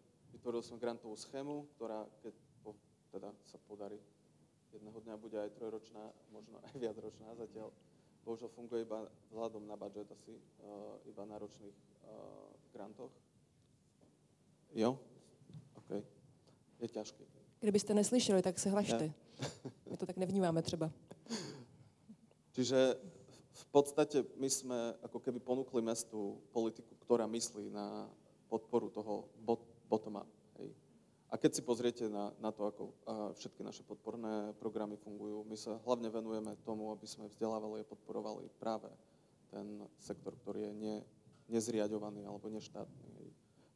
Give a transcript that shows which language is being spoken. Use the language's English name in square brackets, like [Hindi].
[Slovak] Vytvorili sme grantovú schému, ktorá, keď teda sa podarí, jedného dňa bude aj trojročná, možno aj viacročná, zatiaľ bohužiaľ funguje iba vzhľadom na budžet asi, iba na ročných grantoch. Jo? OK. Je ťažké. [Czech] Kdybyste neslyšeli, tak se hlašte. Ja. My to tak nevnímáme třeba. [Slovak] Čiže v podstate my sme ako keby ponúkli mestu politiku, ktorá myslí na podporu toho bottom-up. Hej. A keď si pozriete na to, ako všetky naše podporné programy fungujú, my sa hlavne venujeme tomu, aby sme vzdelávali a podporovali práve ten sektor, ktorý je nezriadovaný alebo neštátny. Hej.